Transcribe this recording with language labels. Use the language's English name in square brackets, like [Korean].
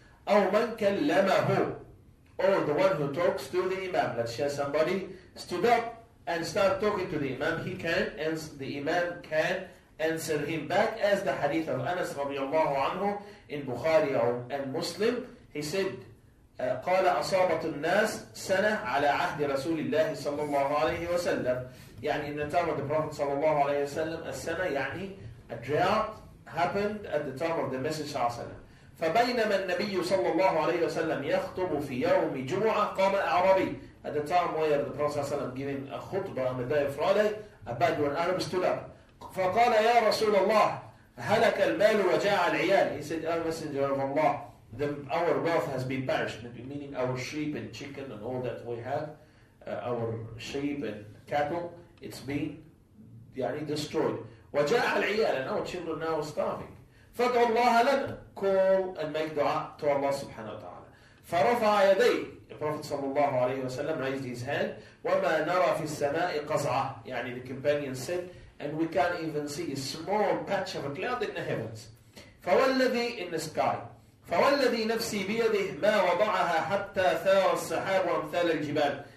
[Arabic] أو من كلمه, [English] or the one who talks to the imam. Let's share somebody stood up and start talking to the imam. He can, and the imam can answer him back, as the hadith of Anas radiallahu anhu in Bukhari and Muslim. He said, [Arabic] قال أصابة الناس سنة على عهد رسول الله صلى الله عليه وسلم. [English] يعني in the time of the Prophet صلى الله عليه وسلم, السنة يعني a drought happened at the time of the Messenger صلى الله عليه وسلم. [Arabic] فبينما النبي صلى الله عليه وسلم يخطب في يوم جمعة قام أعرابي. [English] At the time where the Prophet ﷺ giving a khutbah on the day of Friday, a Bedouin Arab stood up. [Arabic] فقال يا رسول الله هلك المال وجاع العيال. [English] He said, oh Messenger of Allah, our wealth has been perished, meaning our sheep and chicken and all that we have, our sheep and cattle, it's been يعني destroyed. [Arabic] وجاع العيال, [English] and our children now are starving. [Arabic] فادعوا الله لنا. [English] Call and make dua to Allah subhanahu wa ta'ala. [Arabic] فرفع يديه. [English] The Prophet صلى الله عليه وسلم raised his hand. [Arabic] وما نرى في السماء قزعة. [English] يعني the companion said, and we can't even see a small patch of a cloud in the heavens. [Arabic] فوالذي [English] in the sky. [Arabic] فوالذي نفسي بيده ما وضعها حتى ثار السحاب وامثال الجبال.